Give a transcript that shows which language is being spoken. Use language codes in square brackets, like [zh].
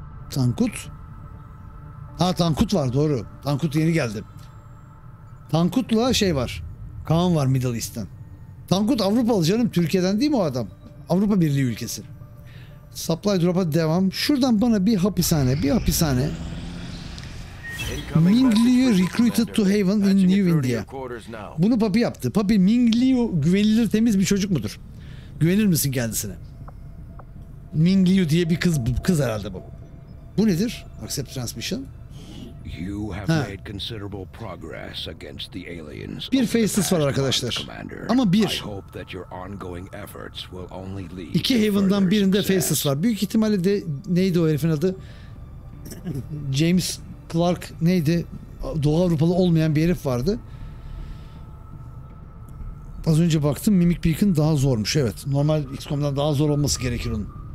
[tr] Tankut. Ha, Tankut var, doğru. Tankut yeni geldi. Tankut'la şey var. Kaan var Middle East'ten. Tankut Avrupalı canım, Türkiye'den değil mi o adam? Avrupa Birliği ülkesi. Supply drop'a devam. Şuradan bana bir hapishane, bir hapishane. [en] Ming Liu recruited to Haven in New India. [tr] Bunu Papi yaptı. Papi, Ming Liu güvenilir temiz bir çocuk mudur? Güvenir misin kendisine? Ming Liu diye bir kız, kız herhalde bu. Bu nedir? Accept transmission. [en] You have made considerable progress against the aliens. [tr] Bir faces var arkadaşlar. Ama bir. [en] I hope that your ongoing efforts will only lead. [tr] İki Haven'dan birinde faces var. Büyük ihtimalle de neydi o herifin adı? James Clark neydi? Doğu Avrupalı olmayan bir herif vardı. Az önce baktım, Mimic Beacon daha zormuş. Evet. Normal XCOM'dan daha zor olması gerekir onun.